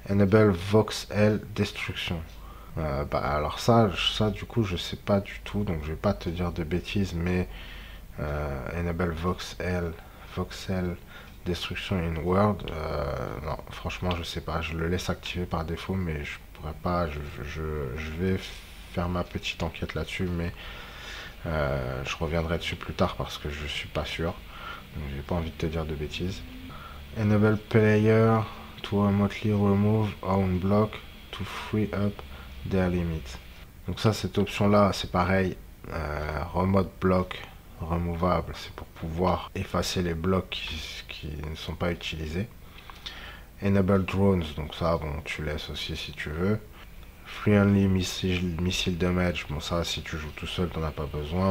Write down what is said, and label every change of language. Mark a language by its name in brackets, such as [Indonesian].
[English] Enable voxel destruction. [French] Alors ça du coup je sais pas du tout, donc je vais pas te dire de bêtises, mais [English] enable voxel destruction in world. [French] Non, franchement je sais pas, je le laisse activer par défaut, mais je pourrais pas, je vais faire ma petite enquête là-dessus, mais je reviendrai dessus plus tard parce que je suis pas sûr. J'ai pas envie de te dire de bêtises. [English] Enable player to remotely remove own block to free up their limit. [French] Donc ça, cette option-là, c'est pareil. Remote block removable, c'est pour pouvoir effacer les blocs qui ne sont pas utilisés. Enable drones, donc ça, bon, tu laisses aussi si tu veux. Friendly missile damage, bon ça si tu joues tout seul t'en as pas besoin.